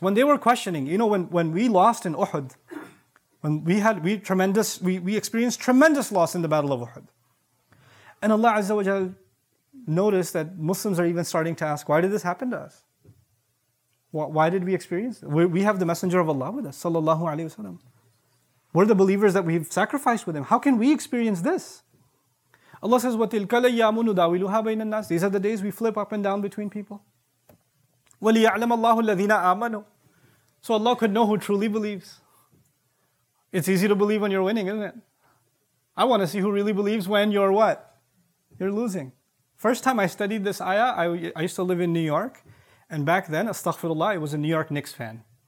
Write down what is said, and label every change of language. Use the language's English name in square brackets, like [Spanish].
[English] When they were questioning, you know, when we lost in Uhud, when we experienced tremendous loss in the Battle of Uhud. And Allah Azza wa Jalla noticed that Muslims are even starting to ask, why did this happen to us? Why did we experience it? We have the Messenger of Allah with us, sallallahu alayhi wa sallam. We're the believers that we've sacrificed with Him. How can we experience this? Allah says, [Arabic] وَتِلْكَ لَيَّامُ نُدَاوِلُهَا بَيْنَ النَّاسِ. [English] These are the days we flip up and down between people. [Arabic] وَلِيَعْلَمَ اللَّهُ الَّذِينَ آمَنُوا. [English] So Allah could know who truly believes. It's easy to believe when you're winning, isn't it? I want to see who really believes when you're what? You're losing. First time I studied this ayah, I used to live in New York. And back then, astaghfirullah, I was a New York Knicks fan.